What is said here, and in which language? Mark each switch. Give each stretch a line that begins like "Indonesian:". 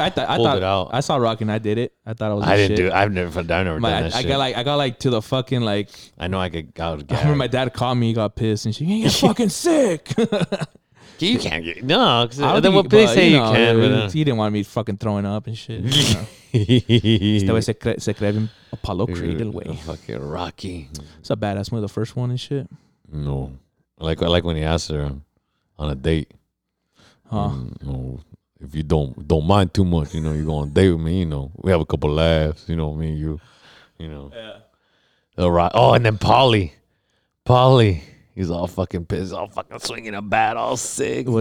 English: I thought I saw Rocky, and I did it. I thought I was. I didn't shit. Do it. I've never done that shit. I got like to the fucking like. I know I could. I would get. I remember my dad called me. He got pissed, and she, you're fucking sick. You can't get no. Cause then what they say you can. He, but, he didn't want me fucking throwing up and shit.
Spanish: Este se cree se cree en Apollo Creed el güey.
English: Fucking Rocky. It's a badass movie. The first one and shit. No, like when he asked her. On a date, huh. If you don't mind too much, you know, you go on a date with me, you know, we have a couple laughs, you know, me and you know. Yeah. All right. Oh, and then Polly, he's all fucking pissed, all fucking swinging a bat, all sick.